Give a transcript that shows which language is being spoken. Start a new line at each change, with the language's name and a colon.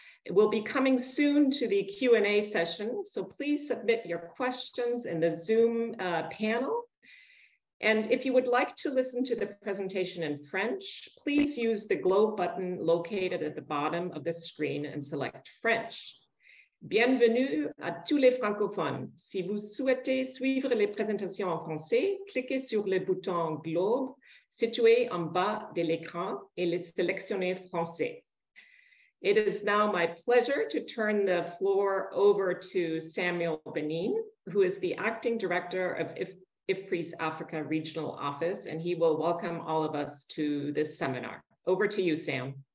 English: We'll be coming soon to the Q&A session, so please submit your questions in the Zoom panel. And if you would like to listen to the presentation in French, please use the globe button located at the bottom of the screen and select French.
French: Bienvenue à tous les francophones. Si vous souhaitez suivre les présentations en français, cliquez sur le bouton globe situé en bas de l'écran et sélectionnez français.
English: It is now my pleasure to turn the floor over to Samuel Benin, who is the acting director of IFPRI's Africa Regional Office, and he will welcome all of us to this seminar. Over to you, Sam.